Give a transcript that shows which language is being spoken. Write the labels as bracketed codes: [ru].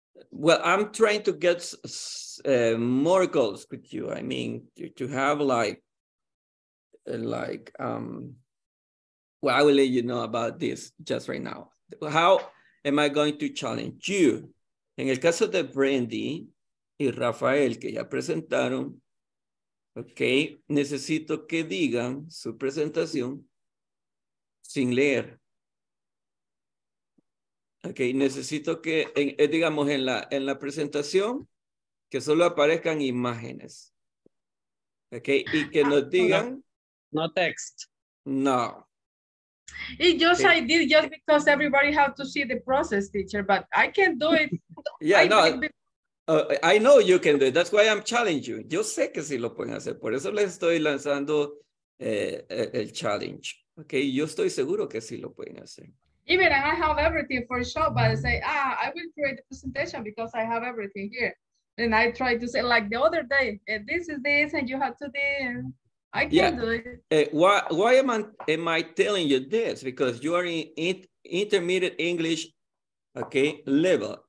[en] Well, I'm trying to get more goals with you. I mean, to have well, I will let you know about this just right now. How am I going to challenge you? [es] En el caso de Brandy y Rafael, que ya presentaron, ok, necesito que digan su presentación sin leer. Ok, necesito que, digamos, en la presentación, que solo aparezcan imágenes. Ok, y que nos digan... [en] No text. No. It just okay. I did just because everybody had to see the process, teacher, but I can't do it. Yeah, I know you can do it. That's why I'm challenging you. [es] Yo sé que sí lo pueden hacer. Por eso les estoy lanzando el challenge. Okay, yo estoy seguro que sí lo pueden hacer. [en] Even I have everything for sure, but I say, I will create the presentation because I have everything here. And I try to say, like the other day, this is this, and you have to do it. I can't yeah. do it. Why am I telling you this? Because you are in intermediate English, okay, level.